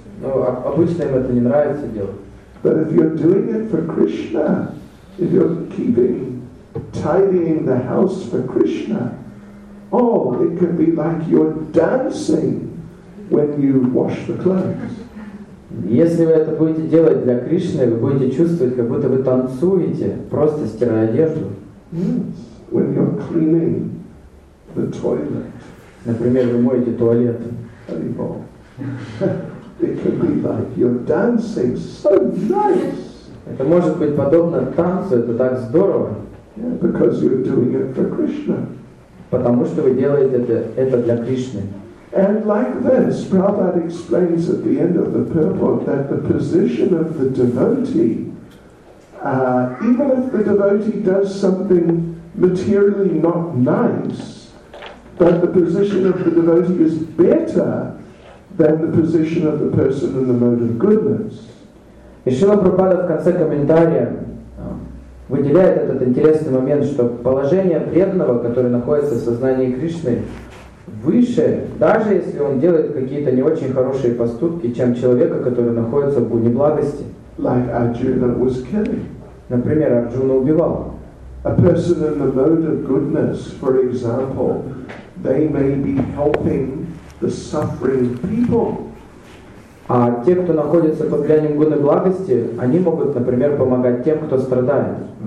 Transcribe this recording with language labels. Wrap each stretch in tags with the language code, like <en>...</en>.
<ru>Но обычно им это не нравится делать.</ru> <en>But if you're doing it for Krishna, if you're keeping tidying the house for Krishna, oh, it can be like you're dancing when you wash the clothes.</en> <ru>Если вы это будете делать для Кришны, вы будете чувствовать, как будто вы танцуете, просто стирая одежду.</ru> <en>When you're cleaning the toilet.</en> <ru>Например, вы моете туалет.</ru> <en>It could be like you're dancing so nice.</en> <ru>Это может быть подобно танцу, это так здорово.</ru> <en>Yeah, because you're doing it for Krishna.</en> <ru>Потому что вы делаете это для Кришны.</ru> <en>And like this, Prabhupada explains at the end of the purport that the position of the devotee, even if the devotee does something materially not nice, that the position of the devotee is better than the position of the person in the mode of goodness.</en> <ru>И Шрила Прабхупада в конце комментария выделяет этот интересный момент, что положение преданного, который находится в сознании Кришны, выше, даже если он делает какие-то не очень хорошие поступки, чем человека, который находится в гуне благости.</ru> <en>Like Arjuna was killing.</en> <ru>Например, Арджуна убивал.</ru> <en>A person in the mode of goodness, for example, they may be helping the suffering people.</en> <ru>А те, кто находится под влиянием гуны благости, они могут, например, помогать тем, кто страдает.</ru>